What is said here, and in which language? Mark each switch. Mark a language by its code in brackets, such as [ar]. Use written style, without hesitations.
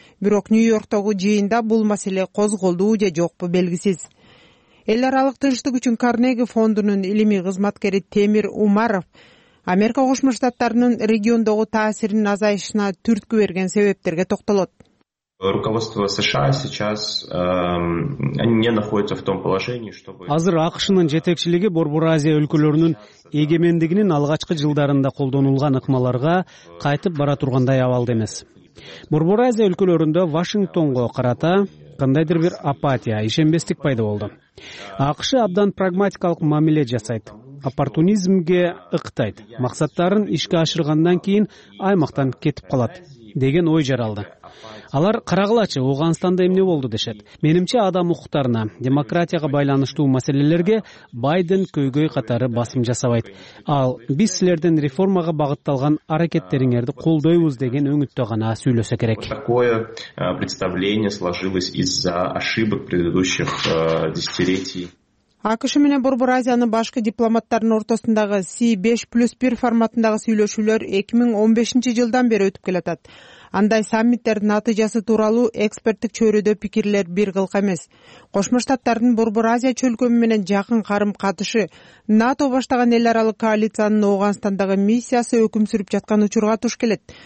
[ky] Бирок Нью-Йорктогу жыйында бул маселе козголду же жокпу белгисиз. Эл аралык тынчтык үчүн Карнеги фондунун илимий кызматкери Темир Умаров Америка Кошмо Штаттарынын региондогу таасиринин азайышына түрткү берген себептерге токтолот. [ru] Руководство США сейчас не находится в том положении, чтобы [ky] Азыр АКШнын жетекчилиги Борбор Азия өлкөлөрүнүн эгемендигинин алгачкы жылдарында колдонулган ыкмаларга кайтып бара тургандай абалда эмес. Борбор Азия өлкөлөрүндө Вашингтонго карата кандайдыр бир апатия, ишенбестик пайда болду. АКШ абдан прагматикалык мамиле жасайт. Оппортунизмге ыктайт. Максаттарын ишке ашыргандан кийин аймактан кетип калат деген ой жаралды. Алар карагылачы, Ооганстанда эмне болду дешет. Менимче адам укуктарына, демократияга байланыштуу маселелерге Байден көйгөй катары басым жасабайт. Ал биз силердин реформага багытталган аракеттериңерди колдойбуз деген өңүттө гана сүйлөсө керек. [ru] Такое представление сложилось из-за ошибок предыдущих десятилетий. [ky] АКШ менен Борбор Азиянын башкы дипломаттарынын ортосундагы C5+1 форматындагы сүйлөшүүлөр 2015 жылдан бери өтүп келатат. Андай саммиттердин натыйжасы тууралуу эксперттик чөйрөдө пикирлер бир кылка эмес. Кошмо Штаттардын Борбор Азия чөлкөмү менен жакын карым катышы, НАТО баштаган эл аралык коалициянын Ооганстандагы миссиясы өкүм сүрүп жаткан учурга туш келет.